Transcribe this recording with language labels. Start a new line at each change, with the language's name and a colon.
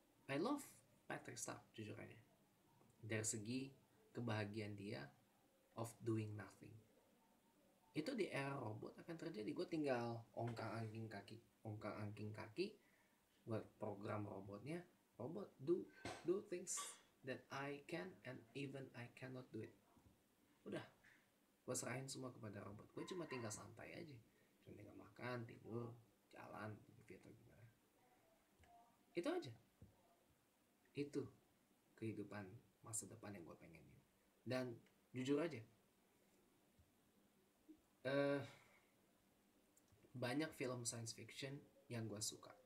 English: I love Patrick Star
Indonesian: jujur aja. Dari segi kebahagiaan dia
English: of doing nothing.
Indonesian: Itu di era robot akan terjadi. Gue tinggal ongkang-angking kaki buat program robotnya.
English: Robot do things that I can and even I cannot do it.
Indonesian: Udah, gue serahin semua kepada robot. Gue cuma tinggal santai aja. Cuma tinggal makan, tidur, jalan, TV atau gimana. Itu aja. Itu kehidupan masa depan yang gue pengen. Dan jujur aja, banyak film science fiction yang gue suka.